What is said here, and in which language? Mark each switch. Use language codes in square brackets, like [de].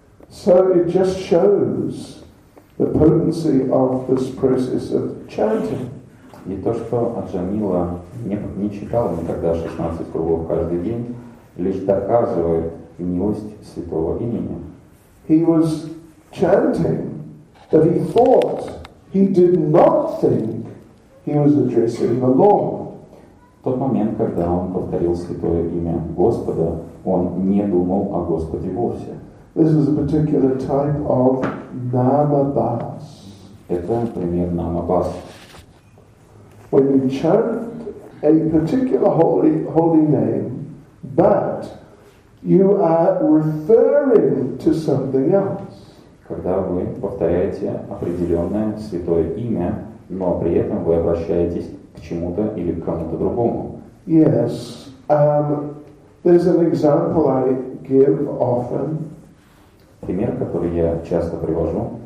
[en] So it just shows the potency of this process of chanting. [ru] И то, что Аджамила не читал никогда 16 кругов каждый день, лишь доказывает милость святого имени. [en] He was chanting that he thought he did not think he was addressing the Lord. [ru] В тот момент, когда он повторил святое имя Господа, он не думал о Господе вовсе. [en] This is a particular type of namabhas. [ru] Это пример намабас. [en] When you chant a particular holy name, but you are referring to something else. [ru] Когда вы повторяете определенное святое имя, но при этом вы обращаетесь к чему-то или к кому-то другому. [en] Yes, there's an example I give often. [ru] Пример, который я часто привожу.